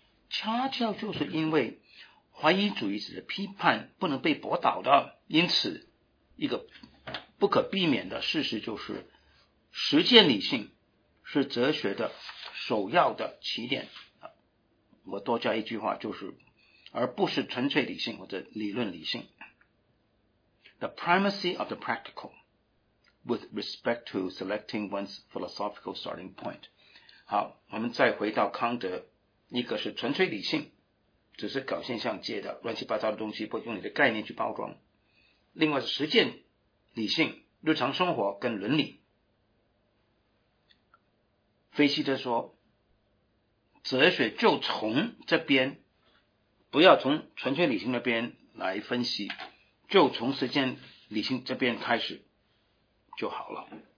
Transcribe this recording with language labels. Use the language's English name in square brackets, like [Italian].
[Chinese] 恰恰就是因为怀疑主义者的批判不能被驳倒的，因此一个不可避免的事实就是，实践理性是哲学的首要的起点。我多加一句话，就是而不是纯粹理性或者理论理性。 [English] The primacy of the practical with respect to selecting one's philosophical starting point。 [Chinese] 好，我们再回到康德，一个是纯粹理性，只是搞现象界的乱七八糟的东西，不用你的概念去包装。另外是实践理性，日常生活跟伦理。费希特说，哲学就从这边，不要从纯粹理性那边来分析，就从实践理性这边开始就好了。